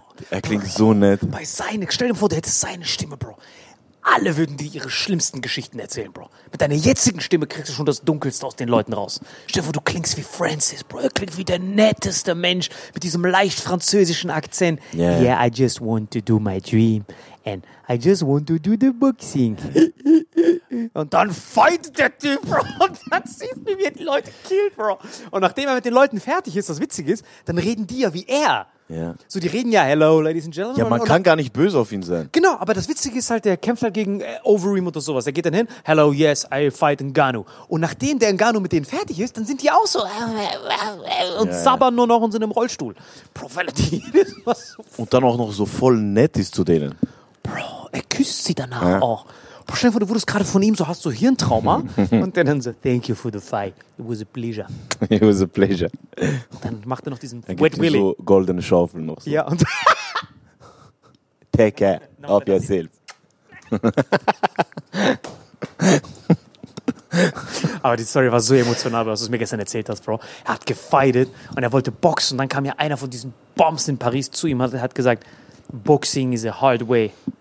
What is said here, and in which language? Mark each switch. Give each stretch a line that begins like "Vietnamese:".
German: Er klingt so nett. Bei seine, stell dir vor, du hättest seine Stimme, Bro. Alle würden dir ihre schlimmsten Geschichten erzählen, Bro. Mit deiner jetzigen Stimme kriegst du schon das Dunkelste aus den Leuten raus. Stell dir vor, du klingst wie Francis, Bro. Er klingt wie der netteste Mensch mit diesem leicht französischen Akzent.
English: Yeah. Yeah, I just want to do my dream. And I just want to do the boxing.
German: Und dann fightet der Typ, Bro. Und dann sieht man, wie er die Leute killt, Bro. Und nachdem er mit den Leuten fertig ist, was witzig ist, dann reden die ja wie er. Ja. So, die reden ja,
English: hello, ladies and gentlemen.
German: Ja, man kann gar nicht böse auf ihn sein. Genau, aber das Witzige ist halt, der kämpft halt gegen Overeem oder sowas. Er geht dann hin,
English: hello, yes, I fight Ngannou.
German: Und nachdem der Ngannou mit denen fertig ist, dann sind die auch so und sabbern nur noch und sind im Rollstuhl. Bro, weil er die was und dann auch noch so voll nett ist zu denen. Bro, er küsst sie danach auch. Bro, stell dir vor, du wurdest gerade von ihm so, hast du Hirntrauma? Und dann so,
English: thank you for the fight. It was a pleasure. It was a pleasure.
German: Und dann macht er noch diesen dann Wet Willy. So goldene Schaufel noch. So. Ja, und
English: take care of yourself.
German: Aber die Story war so emotional, was du mir gestern erzählt hast, Bro. Er hat gefightet und er wollte boxen. Und dann kam ja einer von diesen Bombs in Paris zu ihm und hat gesagt,
English: Boxing is a hard way.